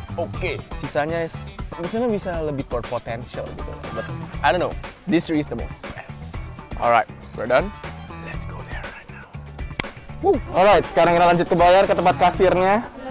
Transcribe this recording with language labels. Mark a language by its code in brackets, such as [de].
[id] Oke, sisanya is, misalnya bisa lebih potential gitu. [en] But, I don't know, these three is the most best. Alright, we're done. Let's go there right now. [id] Alright, sekarang kita lanjut ke bayar ke tempat kasirnya.